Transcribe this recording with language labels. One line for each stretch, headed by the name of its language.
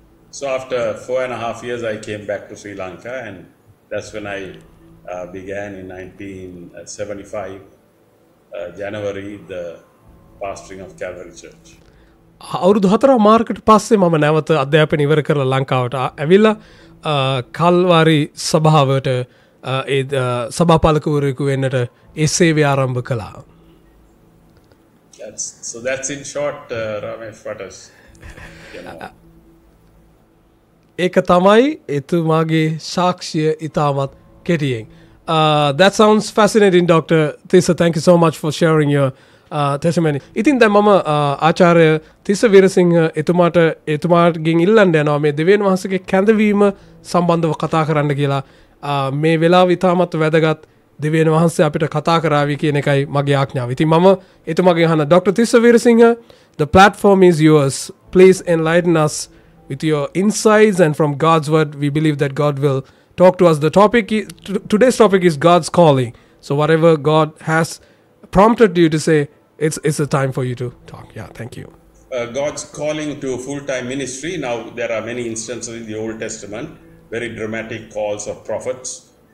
English: So after 4.5 years I came back to Sri Lanka, and that's when I began in 1975 January the pastoring of Calvary Church.
Sinhala: අවුරුදු හතරක් market පස්සේ මම නැවත අධ්‍යාපනය ඉවර කරලා ලංකාවට ඇවිල්ලා කල්වාරි සභාවට ඒ සභාපාලකවරයෙකු වෙන්නට ඒ සේවය ආරම්භ කළා.
English: So that's in short Ramesh Fatas.
Sinhala: ඒක තමයි එතුමාගේ සාක්ෂිය ඉතාමත් කෙටියෙන්.
English: That sounds fascinating, Dr. Tissa. Thank you so much for sharing your testimony.
Sinhala: ඉතින් දැන් මම ආචාර්ය තිස්ස වීරසිංහ එතුමාගෙන් ඉල්ලන්න යනවා මේ දෙවියන් වහන්සේගේ කැඳවීම සම්බන්ධව කතා කරන්න කියලා. මේ වෙලාව ඉතාමත් වැදගත් දෙවියන් වහන්සේ අපිට කතා කරાવી කියන එකයි මගේ ආඥාව. ඉතින් මම එතුමාගෙන් අහන doctor Tissa Weerasinghe,
English: the platform is yours. Please enlighten us with your insights and from God's word. We believe that God will talk to us. The topic today's topic is God's calling. So whatever God has prompted you to say, it's a time for you to talk. Yeah, thank you. God's calling to full-time ministry. Now, there are many instances in the Old Testament, very dramatic calls of prophets.